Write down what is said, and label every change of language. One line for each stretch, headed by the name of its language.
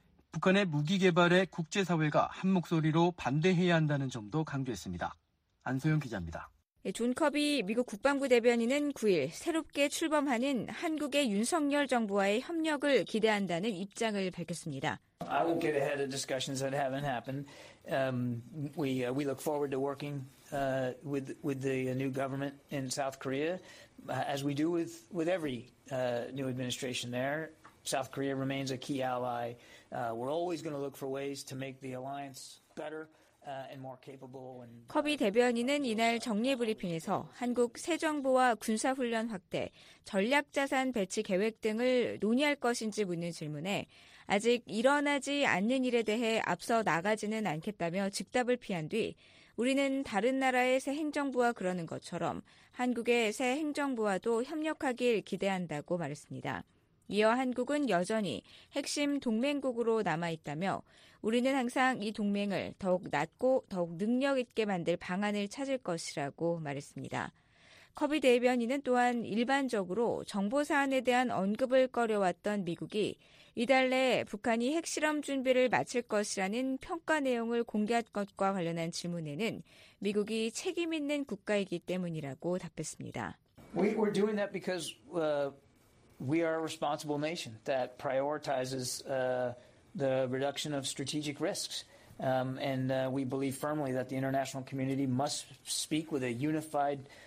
Korean: 북한의 무기 개발에 국제사회가 한 목소리로 반대해야 한다는 점도 강조했습니다. 안소영 기자입니다. 존 커비 미국 국방부 대변인은 9일 새롭게 출범하는 한국의 윤석열 정부와의 협력을 기대한다는 입장을 밝혔습니다.
English: I won't get ahead of discussions that haven't happened. We look forward to working with the new government in South Korea, as we do with every new administration there. South Korea remains a key ally. We're always going to look for ways to make the alliance better and more capable.
Korean: 커비 대변인은 이날 정례 브리핑에서 한국 새 정부와 군사 훈련 확대, 전략 자산 배치 계획 등을 논의할 것인지 묻는 질문에 아직 일어나지 않는 일에 대해 앞서 나가지는 않겠다며 즉답을 피한 뒤 우리는 다른 나라의 새 행정부와 그러는 것처럼 한국의 새 행정부와도 협력하길 기대한다고 말했습니다. 이어 한국은 여전히 핵심 동맹국으로 남아있다며 우리는 항상 이 동맹을 더욱 낮고 더욱 능력 있게 만들 방안을 찾을 것이라고 말했습니다. 커비 대변인은 또한 일반적으로 정보 사안에 대한 언급을 꺼려왔던 미국이 이달 내 북한이 핵실험 준비를 마칠 것이라는 평가 내용을 공개할 것과 관련한 질문에는 미국이 책임 있는 국가이기 때문이라고 답했습니다.
English: We're doing that because... We are a responsible nation that prioritizes the reduction of strategic risks. And we believe firmly that the international community must speak with a unified